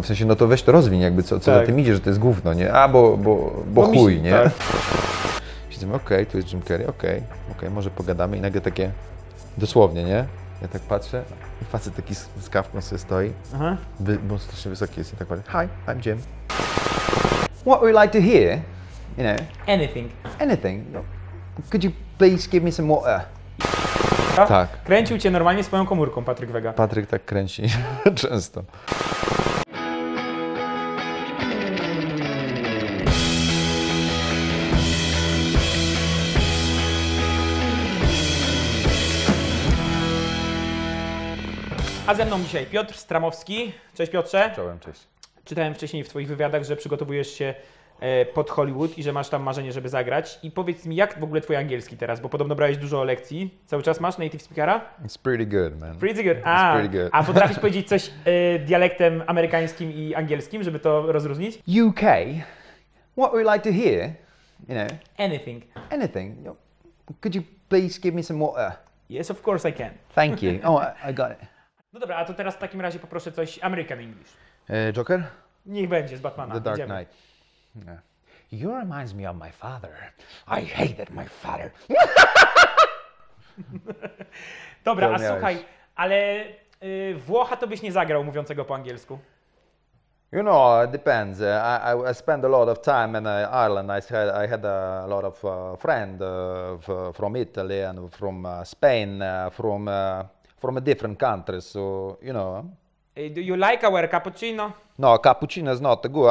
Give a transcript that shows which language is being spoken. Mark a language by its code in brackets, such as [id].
[pl] W sensie, no to weź to rozwiń, jakby co tak. za tym idzie, że to jest gówno, nie? A, bo chuj, nie? Tak. Widzimy, okej, tu jest Jim Carrey, okej, może pogadamy i nagle takie, dosłownie, nie? Ja tak patrzę, facet taki z kawką sobie stoi, bo strasznie wysoki jest i tak patrzę, [en] hi, I'm Jim. What would you like to hear? You know? Anything. Could you please give me some water? [pl] Tak. Kręcił cię normalnie swoją komórką, Patryk Wega. Patryk tak kręci często. A ze mną dzisiaj Piotr Stramowski. Cześć Piotrze. Czołem, cześć. Czytałem wcześniej w twoich wywiadach, że przygotowujesz się pod Hollywood i że masz tam marzenie, żeby zagrać. I powiedz mi, jak w ogóle twój angielski teraz, bo podobno brałeś dużo lekcji. Cały czas masz native speakera? [en] It's pretty good, man. Pretty good. [pl] A potrafisz powiedzieć coś dialektem amerykańskim i angielskim, żeby to rozróżnić? [en] UK. What would you like to hear? You know? Anything. Anything. Could you please give me some water? Yes, of course I can. Thank you. Oh, I got it. [pl] No dobra, a to teraz w takim razie poproszę coś American English. Joker? Niech będzie, z Batmana. [en] The Dark Knight. [pl] Idziemy. [en] Yeah. You reminds me of my father. I hated my father. [pl] Dobra, a słuchaj, ale Włocha to byś nie zagrał mówiącego po angielsku. [en] You know, it depends. I spend a lot of time in Ireland. I had a lot of friends from Italy and from Spain, from a different country, so you know. Do you like our cappuccino? No, cappuccino is not good.